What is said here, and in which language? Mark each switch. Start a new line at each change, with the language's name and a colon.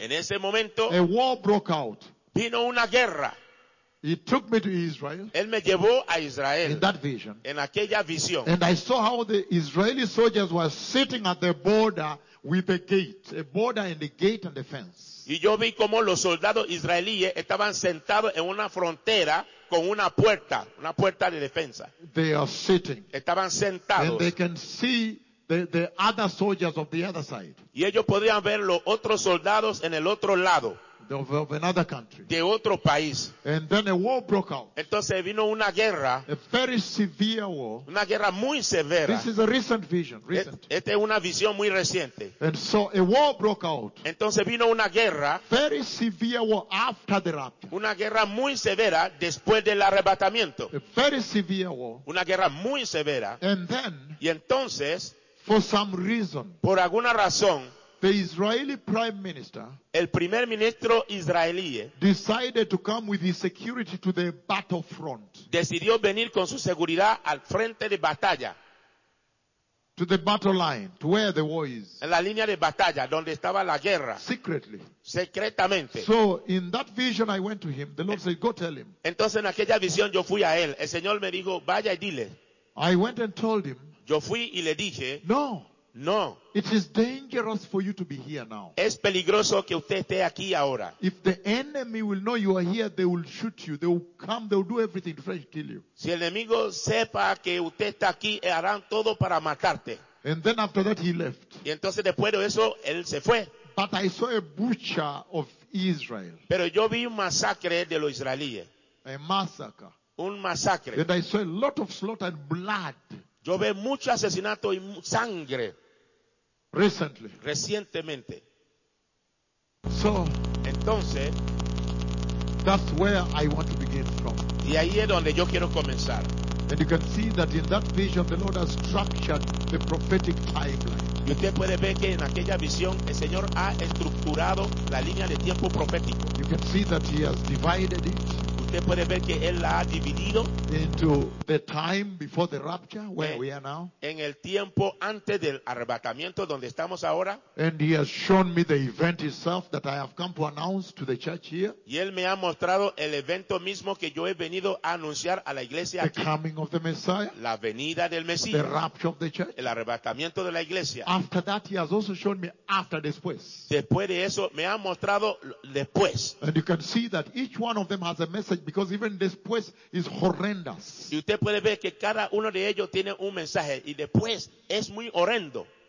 Spanish: en ese momento,
English: a war broke out.
Spanish: Vino una guerra.
English: He took me to Israel.
Spanish: Él me llevó a Israel.
English: In that vision.
Spanish: En aquella visión.
English: And I saw how the Israeli soldiers were sitting at the border with a gate. A border and a gate and a fence.
Spanish: Y yo vi como los soldados israelíes estaban sentados en una frontera con una puerta de defensa.
English: They are sitting.
Spanish: Estaban sentados.
English: And they can see the other soldiers of the other side.
Spanish: Y ellos podían ver los otros soldados en el otro lado.
English: Of another country.
Spanish: De otro país.
English: And then a war broke out.
Spanish: Entonces vino una guerra.
English: A very severe war.
Spanish: Una guerra muy severa.
English: This is a recent vision. Recent.
Spanish: Esta es una visión muy reciente.
English: And so a war broke out.
Spanish: Entonces vino una guerra.
English: Very severe war after the rapture.
Spanish: Una guerra muy severa después del arrebatamiento.
English: A very severe war.
Spanish: Una guerra muy severa.
English: And then.
Spanish: Y entonces.
English: For some reason.
Spanish: Por alguna razón.
English: The Israeli Prime Minister,
Spanish: el primer ministro israelí,
English: decided to come with his security to the battlefront.
Spanish: Decidió venir con su seguridad al frente de batalla.
English: To the battle line, to where the war is.
Spanish: En la línea de batalla, donde estaba la guerra.
English: Secretly.
Spanish: Secretamente.
English: So, in that vision I went to him, the Lord said, go tell him.
Spanish: Entonces en aquella visión yo fui a él. El Señor me dijo, vaya y dile.
English: I went and told him.
Spanish: Yo fui y le dije.
English: No.
Spanish: No.
English: It is dangerous for you to be here now.
Spanish: Es peligroso que usted esté aquí ahora.
English: If the enemy will know you are here, they will shoot you. They will come, they will do everything to try to kill you.
Spanish: Si el enemigo sepa que usted está aquí, harán todo para matarte.
English: And then after that he left.
Spanish: Y entonces después de eso, él se fue.
English: But I saw a butcher of Israel.
Spanish: Pero yo vi un masacre de los israelíes.
English: A massacre.
Spanish: Un masacre.
English: And I saw a lot of slaughter and blood.
Spanish: Yo veo mucho asesinato y sangre.
English: Recently.
Spanish: Recientemente.
English: So,
Spanish: entonces,
English: that's where I want to begin from.
Spanish: Y ahí es donde yo quiero comenzar.
English: And you can see that in that vision the Lord has structured the prophetic timeline.
Spanish: Y usted puede ver que en aquella visión el Señor ha estructurado la línea de tiempo profético.
English: You can see that he has divided it.
Spanish: Usted puede ver que él la ha dividido
English: into the time before the rapture, where we are now.
Spanish: En el tiempo antes del arrebatamiento donde estamos ahora.
English: And he has shown me the event itself that I have come to announce to the church here.
Spanish: Y él me ha mostrado el evento mismo que yo he venido a anunciar a la iglesia
English: the
Spanish: aquí.
English: Coming of the Messiah.
Spanish: La venida del Mesías.
English: The rapture of the church.
Spanish: El arrebatamiento de la iglesia.
English: After that he has also shown me after
Spanish: después. Después de eso me ha mostrado después.
English: And you can see that each one of them has a message because even
Spanish: después
English: is horrendous.
Spanish: Y usted puede ver que cada uno de ellos tiene un mensaje y después es muy horrendo.